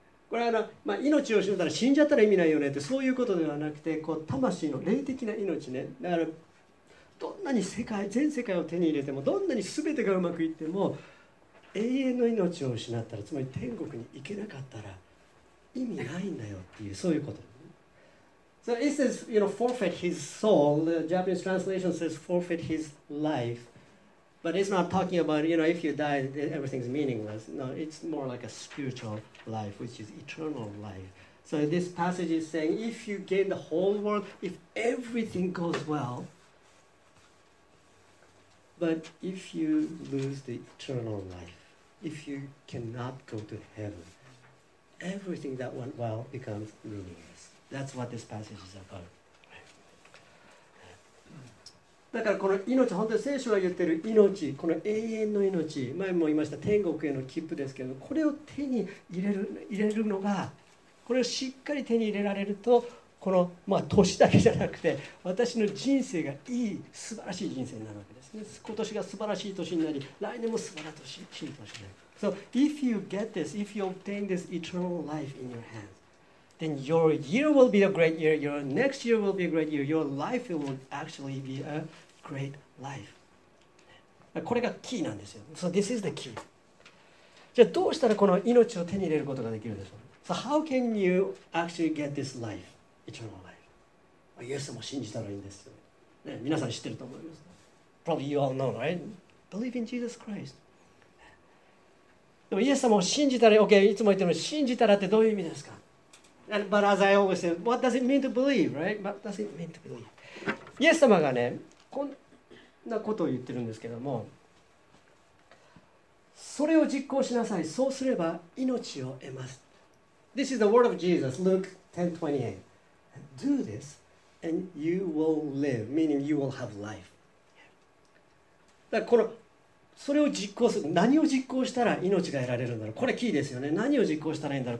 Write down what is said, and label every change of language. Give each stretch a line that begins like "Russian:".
Japanese: これはな、まあ、命を失ったら死んじゃったら意味ないよねってそういうことではなくてこう魂の霊的な命ね。だからどんなに世界、全世界を手に入れてもどんなに全てがうまくいっても永遠の命を失ったらつまり天国に行けなかったら意味ないんだよっていうそういうこと。
English: So it says, you know, forfeit his soul. The Japanese translation says forfeit his life. But it's not talking about, you know, if you die, everything's meaningless. No, it's more like a spiritual life, which is eternal life. So this passage is saying, if you gain the whole world, if everything goes well, but if you lose the eternal life, if you cannot go to heaven, everything that went well becomes meaningless. That's what this passage is about.
Japanese: だからこの命、本当に聖書が言ってる命、この永遠の命、前も言いました天国への切符ですけど、これを手に入れるのが、これをしっかり手に入れられると、この、まあ、年だけじゃなくて、私の人生がいい、素晴らしい人生になるわけですね。今年が素晴らしい年になり、来年も素晴らしい年になる。
English: So, if you get this, if you obtain this eternal life in your hands,Then your year will be a great year. Your next year will be a great year. Your life will actually be a great life.
Japanese: これがキーなんですよ。
English: So this is the key.
Japanese: じゃあどうしたらこの命を手に入れることができるでしょう。
English: So how can you actually get this life, eternal life?
Japanese: イエスも信じたらいいんですよ。ね、皆さん知ってると思います。
English: Probably you all know, right? Believe in Jesus Christ.
Japanese: でもイエス様を信じたら、OK、いつも言ってるの、信じたらってどういう意味ですか?
English: But as I always say, what does it mean to believe, right? What does it mean to believe?
Japanese: イエス様がね、こんなことを言ってるんですけども、それを実行しなさい。そうすれば命を得ます。
English: This is the word of Jesus, Luke 10:28. Do this, And you will live, meaning you will have life.
Japanese: だからこのそれを実行する、何を実行したら命が得られるんだろう、これキーですよね。何を実行したらいいんだろう。